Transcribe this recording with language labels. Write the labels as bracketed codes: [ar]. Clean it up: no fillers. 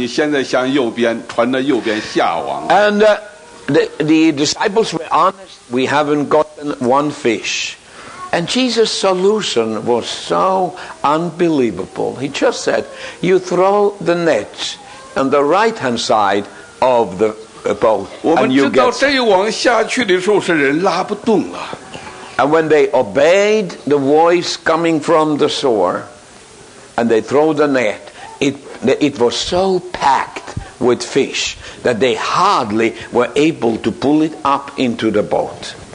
[zh] 他诚实地说,我们没有吃的,耶稣说,你现在向右边,传到右边下网。 [en] And the disciples were honest, we haven't gotten one fish. And Jesus' solution was so unbelievable. He just said, you throw the net on the right-hand side of the boat, and you get [zh] 我们知道这一网下去的时候是人拉不动了。 [en] And when they obeyed the voice coming from the shore, and they throw the net, it was so packed with fish that they hardly were able to pull it up into the boat.